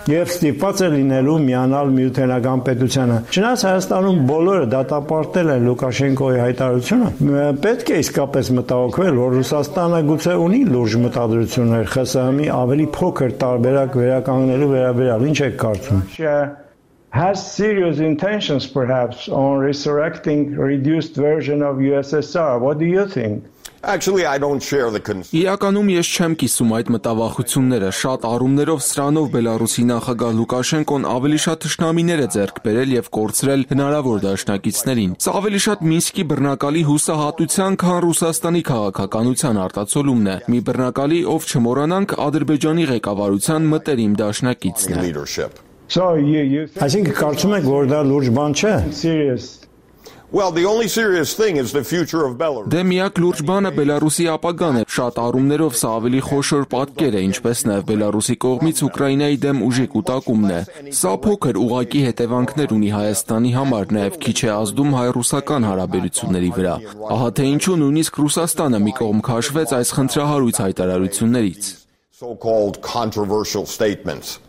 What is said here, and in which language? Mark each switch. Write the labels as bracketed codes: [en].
[hy] և ստիպված է լինելու միանալ Միութենական պետությանը։ Չնայած Հայաստանում բոլորը դատապարտել են Լուկաշենկոյի հայտարարությունը, պետք է իսկապես մտահոգվել, որ Ռուսաստանը գուցե ունի լուրջ մտադրություններ ԽՍՀՄ-ի ավելի փոքր տարբերակ վերականգնելու վերաբերյալ։ Ինչ եք կարծում։ [en] Has serious intentions perhaps on resurrecting reduced version of USSR. What do you think? Actually, I don't share the concern. [hy] Իրականում ես չեմ կիսում այդ մտավախությունները։ Շատ առումներով սրանով Բելարուսի նախագահ Լուկաշենկոն ավելի շատ թշնամիներ է ձեռք բերել և կորցրել հնարավոր դաշնակիցներին։ Սա ավելի շատ Մինսկի բռնակալի հուսահատության, քան Ռուսաստանի քաղաքականության արտացոլումն է։ Մի բռնակալի, ով չմոռանանք Ադրբեջանի ղեկավարության մտերիմ դաշնակիցն է։ Այսինքն կարծում եք, որ դա լուրջ բան չէ։ [en] Well, the only serious thing is the future of Belarus. [hy] Դե միակ լուրջ բանը Բելարուսի ապագան է։ Շատ առումներով սա ավելի խոշոր պատկեր է, ինչպես նաև Բելարուսի կողմից Ուկրաինայի դեմ ուժի կուտակումն է։ Սա փոքր ուղակի հետևանքներ ունի Հայաստանի համար, նաև քիչ է ազդում հայ-ռուսական հարաբերությունների վրա։ Ահա թե ինչու նույնիսկ Ռուսաստանը մի կողմ քաշվեց այս խնդրահարույց հայտարարություններից։ [en] So-called controversial statements.